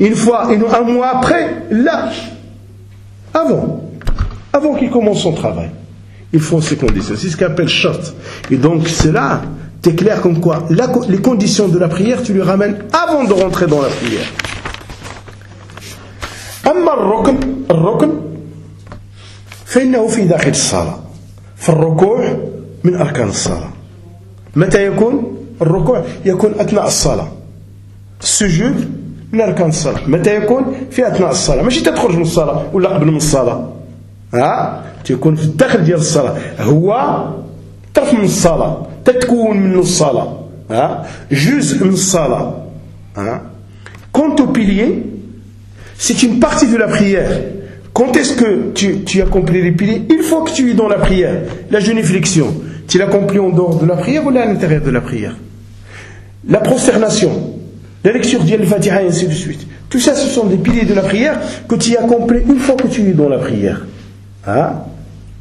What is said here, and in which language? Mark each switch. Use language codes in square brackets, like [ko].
[fr] Une fois, un mois après, là. Avant qu'il commence son travail. Ils font ces conditions. C'est ce qu'on appelle charte. Et donc, cela, t'es clair comme quoi les conditions de la prière, tu les ramènes avant de rentrer dans la prière. [ar] أما الركن الركن فإنه في داخل الصلاة فالركوع من أركان الصلاة متى يكون الركوع يكون أثناء الصلاة السجود من أركان الصلاة متى يكون في أثناء الصلاة ماشي تخرج من الصلاة ولا قبل من الصلاة ها تكون في الداخل ديال الصلاة هو طرف من الصلاة تتكون من الصلاة ها جزء من الصلاة ها [fr] كونتو بيليه. C'est une partie de la prière. Quand est-ce que tu accomplis les piliers ? Il faut que tu aies dans la prière. La génuflexion, tu l'accomplis en dehors de la prière ou à l'intérieur de la prière ? La prosternation, la lecture d'Al Fatiha et ainsi de suite. Tout ça, ce sont des piliers de la prière que tu accomplis une fois que tu es dans la prière. Hein ?